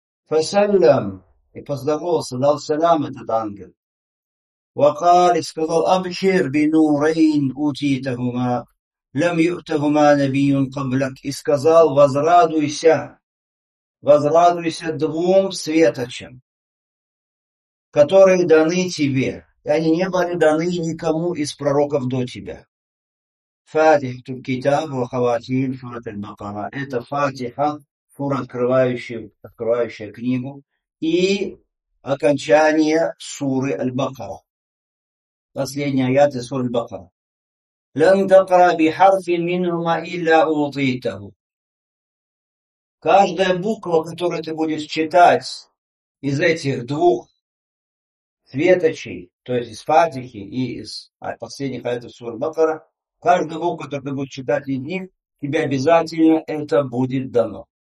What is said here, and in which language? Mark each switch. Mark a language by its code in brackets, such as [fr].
[ar] فَسَلَّمْ [ru] и поздоровался, дал салам этот ангел. [ar] وقال [ru] и сказал: [ar] أَبْشِرْ بِنُورَيْنْ أُوتِيتَهُمَا لَمْ يُؤْتَهُمَا نَبِيٌّ قَبْلَكَ. [ru] И сказал: возрадуйся, двум светочам, которые даны тебе, и они не были даны никому из пророков до тебя. [ar] فَاتِحَةُ الْكِتَابِ وَخَوَاتِيمُ سُورَةِ الْبَقَرَةِ. [ru] Это фатиха, сура, открывающая книгу, и окончание суры Аль-Бакара. Последний аят из суры Аль-Бакара. [ar] لن تقرأ بحرف منهما إلا أعطيته. [ru] Каждая буква, которую ты будешь читать из этих двух светочей, то есть из Фатихи и из последних аятов суры Бакара, каждая буква, которую ты будешь читать из них, тебе обязательно это будет дано.